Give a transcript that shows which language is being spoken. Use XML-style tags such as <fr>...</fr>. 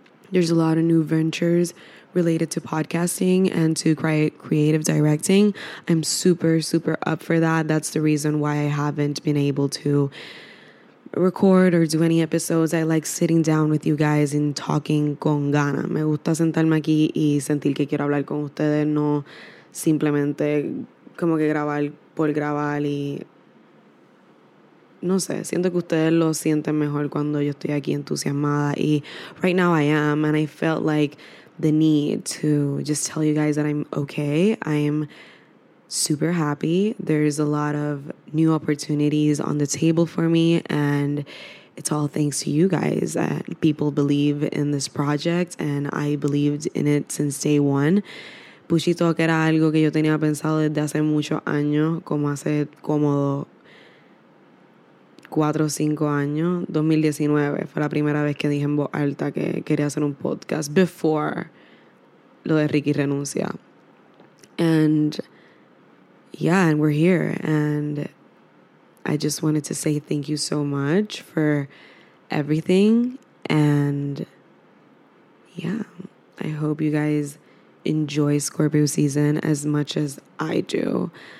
<en>There's a lot of new ventures related to podcasting and to creative directing. I'm super, super up for that. That's the reason why I haven't been able to record or do any episodes. I like sitting down with you guys and talking</en> <es>con gana. Me gusta sentarme aquí y sentir que quiero hablar con ustedes, no simplemente como que grabar por grabar y no sé, siento que ustedes lo sienten mejor cuando yo estoy aquí entusiasmada.</es> <en>Y right now I am, and I felt like the need to just tell you guys that I'm okay. I am super happy. There's a lot of new opportunities on the table for me, and it's all thanks to you guys. People believe in this project, and I believed in it since day one.</en> <es>Pushy Talk era algo que yo tenía pensado desde hace muchos años, como hace cómodo 4 o 5 años. 2019 fue la primera vez que dije en voz alta que quería hacer un podcast before lo de Ricky renuncia.</es> <en>And yeah, and we're here. And I just wanted to say thank you so much for everything. And yeah, I hope you guys enjoy Scorpio season as much as I do.</en>